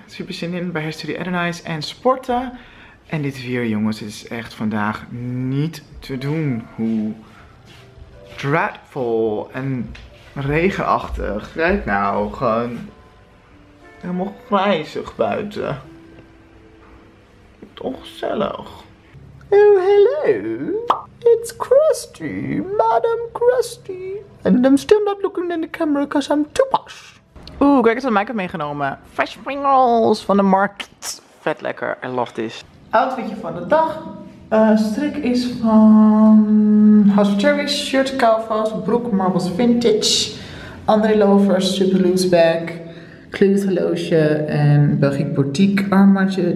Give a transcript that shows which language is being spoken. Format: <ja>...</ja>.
<nl>Super zin in bij Hair Studio Adonis en sporten. En dit weer, jongens, is echt vandaag niet te doen. Hoe dreadful en regenachtig. Kijk nou, gewoon helemaal grijzig buiten. Ongezellig.</nl> <en>Oh, hello. It's Krusty, Madam Krusty. And I'm still not looking in the camera because I'm too posh.</en> <nl>Oeh, kijk eens wat make-up meegenomen. Fresh Pringles van de markt. Vet lekker,</nl> <en>I love this.</en> <nl>Outfitje van de dag. Strik is van House of Cherries, shirt Calvos, broek Marbles Vintage. André Lovers, Super Loose Bag, Kleurig Horloge en Belgique Boutique armbandje.</nl>